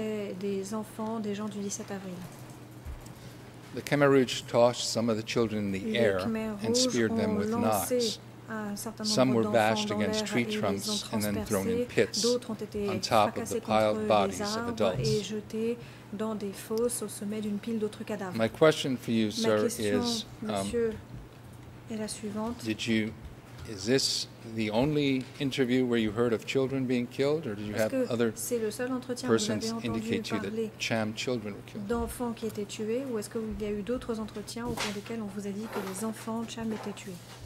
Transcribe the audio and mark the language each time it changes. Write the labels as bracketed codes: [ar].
[en] The Khmer Rouge tossed some of the children in the air and speared them with knives. Some were bashed against tree trunks and then thrown in pits on top of the piled bodies of adults. [fr] Dans des fosses au sommet d'une pile d'autres cadavres. [en] My question for you, sir, is, [fr] monsieur, est la suivante. [en] Is this the only interview where you heard of children being killed, or did you have other persons indicate to you that Cham children were killed? [fr] D'enfants qui étaient tués, ou est-ce qu'il y a eu d'autres entretiens au cours desquels on vous a dit que les enfants Cham étaient tués?